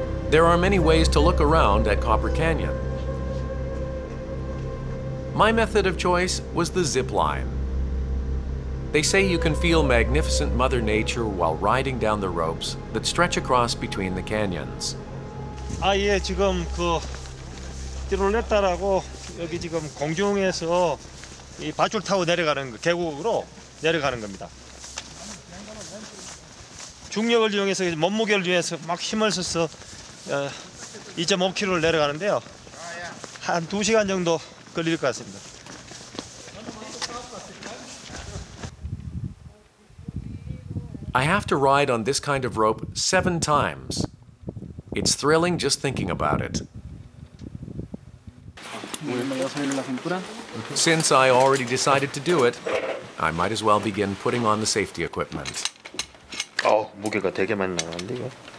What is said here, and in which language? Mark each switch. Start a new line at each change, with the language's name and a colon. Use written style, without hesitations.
English: There are many ways to look around at Copper Canyon. My method of choice was the zip line. They say you can feel magnificent Mother Nature while riding down the ropes that stretch across between the canyons.
Korean: 아, 예, 지금 그 티롤레타라고 여기 지금 공중에서 이 밧줄 타고 내려가는 그 계곡으로 내려가는 겁니다. 중력을 이용해서 몸무게를 이용해서 막 힘을 써서 2.5km를 내려가는데요. 한 2시간 정도 걸릴 것 같습니다.
English: I have to ride on this kind of rope 7 times. It's thrilling just thinking about it. Since I already decided to do it, I might as well begin putting on the safety equipment.
Korean: 어, 무게가 되게 많이 나가는데 이거.